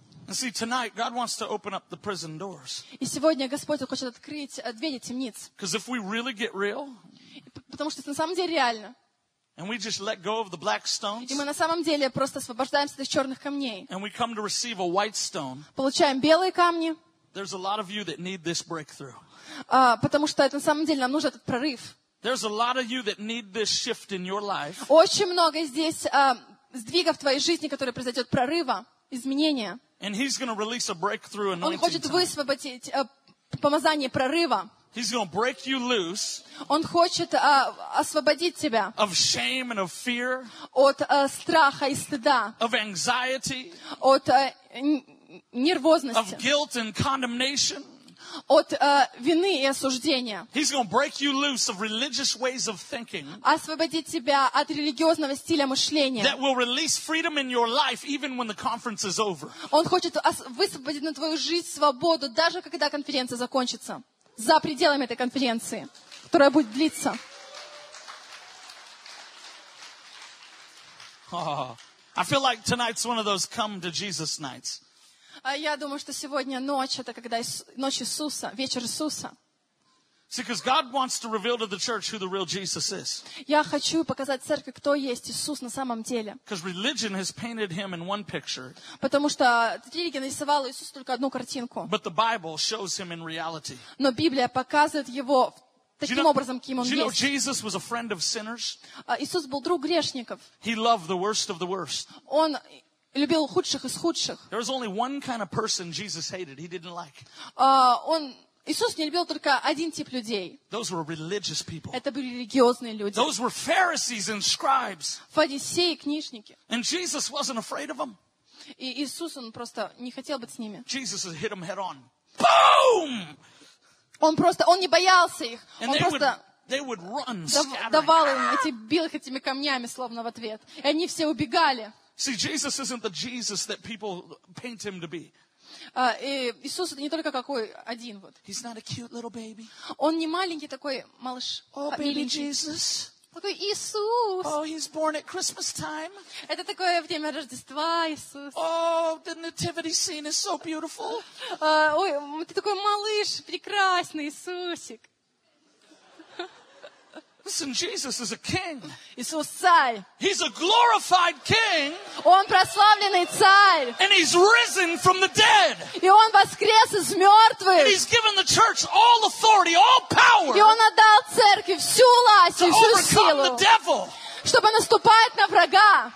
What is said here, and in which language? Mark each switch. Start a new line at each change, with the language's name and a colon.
English: And see, tonight God wants to open up the prison doors.
Russian: И сегодня Господь хочет открыть двери темниц.
English: Because if we really get real,
Russian: потому что на самом деле реально.
English: And we just let go of the black stones.
Russian: И мы на самом деле просто освобождаемся от черных камней.
English: And we come to receive a white stone.
Russian: Получаем белые камни.
English: There's a lot of you that need this breakthrough.
Russian: Потому что это на самом деле нам нужен этот прорыв.
English: There's a lot of you that need this shift in your life.
Russian: Очень много здесь сдвигов в твоей жизни, который произойдет прорыва, изменения.
English: And he's going to release a breakthrough anointing.
Russian: Он хочет высвободить помазание прорыва.
English: He's going to break you loose.
Russian: Он хочет освободить тебя.
English: Of shame and of fear.
Russian: От страха и стыда.
English: Of anxiety.
Russian: От нервозности.
English: Of guilt and condemnation.
Russian: От вины и осуждения.
English: He's going to break you loose of religious ways of thinking.
Russian: Освободить тебя от религиозного стиля мышления.
English: That will release freedom in your life even when the conference is over.
Russian: Он хочет высвободить на твою жизнь свободу, даже когда конференция закончится. За пределами этой конференции, которая будет длиться.
English: I feel like tonight's one of those come to Jesus nights.
Russian: Я думаю, что сегодня ночь, это когда ночь Иисуса, вечер Иисуса.
English: See, because God wants to reveal to the church who the real Jesus is.
Russian: Я хочу показать церкви, кто есть Иисус на самом деле.
English: Because religion has painted him in one picture.
Russian: Потому что религия нарисовала Иисуса только одну картинку.
English: But the Bible shows him in reality.
Russian: Но Библия показывает его таким образом, каким он есть.
English: You know, Jesus was a friend of sinners.
Russian: Иисус был друг грешников.
English: He loved the worst of the worst.
Russian: Он любил худших из худших.
English: There was only one kind of person Jesus hated. He didn't like.
Russian: Иисус не любил только один тип людей.
English: Those were religious people.
Russian: Это были религиозные люди.
English: Those were Pharisees and scribes.
Russian: Фарисеи и книжники.
English: And Jesus wasn't afraid of them.
Russian: И Иисус, он просто не хотел быть с ними.
English: Jesus hit them head on. Boom!
Russian: Он не боялся их.
English: And
Russian: он просто
English: would run,
Russian: давал им, бил их этими камнями, словно в ответ. И они все убегали.
English: See, Jesus isn't the Jesus that people paint him to be.
Russian: Иисус это не только какой один вот.
English: He's not a cute little baby.
Russian: Он не маленький такой малыш.
English: Oh, baby Jesus.
Russian: Такой Иисус.
English: Oh, he's born at Christmas time.
Russian: Это такое время Рождества, Иисус.
English: Oh, the nativity scene is so beautiful.
Russian: Ой, ты такой малыш, прекрасный Иисусик.
English: Listen, Jesus is a king.
Russian: Иисус царь.
English: He's a glorified king.
Russian: Он прославленный царь.
English: And he's risen from the dead.
Russian: И он воскрес из мертвых.
English: And he's given the church all authority, all power.
Russian: И он отдал церкви всю власть и всю силу.
English: To overcome the devil.
Russian: Чтобы наступать на врага.